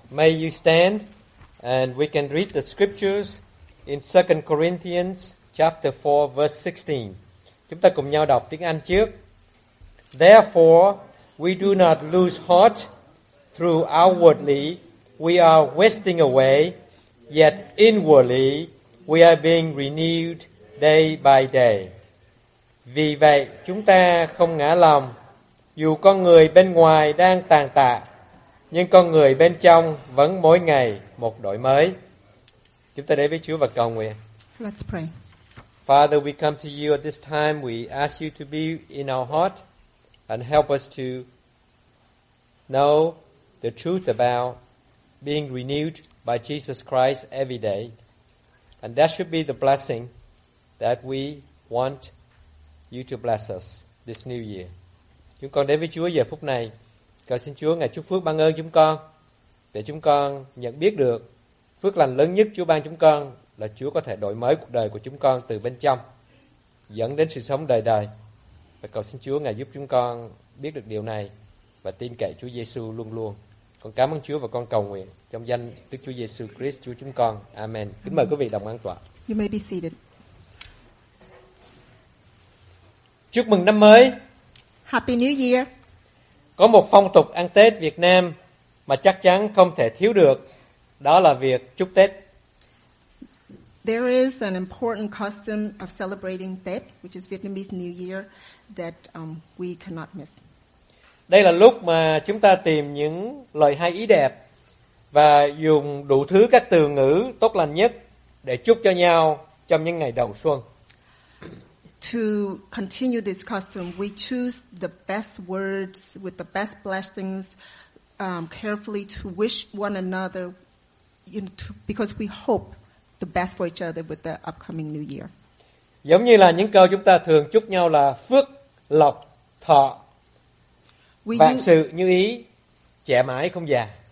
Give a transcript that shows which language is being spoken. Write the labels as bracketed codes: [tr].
[en] May you stand and we can read the scriptures in 2 Corinthians chapter 4 verse 16. [vi] Chúng ta cùng nhau đọc tiếng Anh trước. [en] Therefore, we do not lose heart through outwardly we are wasting away, yet inwardly we are being renewed day by day. [vi] Vì vậy, chúng ta không ngã lòng. Dù con người bên ngoài đang tàn tạ, nhưng con người bên trong vẫn mỗi ngày một đổi mới. Chúng ta đến với Chúa và cầu nguyện. [en] Let's pray. Father, we come to you at this time. We ask you to be in our heart and help us to know the truth about being renewed by Jesus Christ every day. And that should be the blessing that we want you to bless us this new year. [vi] Chúng con đến với Chúa giờ phút này, cầu xin Chúa ngài chúc phước ban ơn chúng con, để chúng con nhận biết được phước lành lớn nhất Chúa ban chúng con là Chúa có thể đổi mới cuộc đời của chúng con từ bên trong, dẫn đến sự sống đời đời. Và cầu xin Chúa ngài giúp chúng con biết được điều này và tin cậy Chúa Giêsu luôn luôn. Con cảm ơn Chúa và con cầu nguyện trong danh Đức Chúa Giêsu Christ Chúa chúng con. Amen. Kính mời quý vị đồng an tọa. [en] You may be seated. [vi] Chúc mừng năm mới. [en] Happy New Year. [vi] Có một phong tục ăn Tết Việt Nam mà chắc chắn không thể thiếu được, đó là việc chúc Tết. [en] There is an important custom of celebrating Tết, which is Vietnamese New Year, that we cannot miss. [vi] Đây là lúc mà chúng ta tìm những lời hay ý đẹp và dùng đủ thứ các từ ngữ tốt lành nhất để chúc cho nhau trong những ngày đầu xuân. [en] To continue this custom, we choose the best words with the best blessings carefully to wish one another, you know, because we hope the best for each other with the upcoming new year. [vi] Giống như là những câu chúng ta thường chúc nhau là phước, lộc, thọ, vạn sự như ý, trẻ mãi không già.